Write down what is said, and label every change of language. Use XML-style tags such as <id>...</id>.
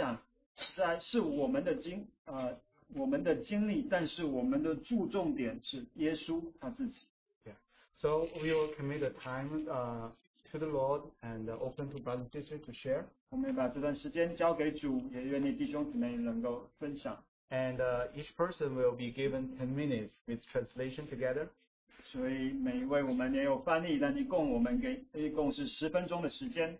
<zh>所以弟兄姊妹们,我们这段时间的分享是我们的经, 我们的经历,</zh> <en>yeah. So we will commit the time to the Lord and open to brothers and sisters to share.</en> <zh>我们把这段时间交给主, 也愿意弟兄姊妹能够分享。</zh> <en>And each person will be given 10 minutes with translation together.</en> <zh>所以每一位我们也有翻译, 但一共是10分钟的时间。</zh>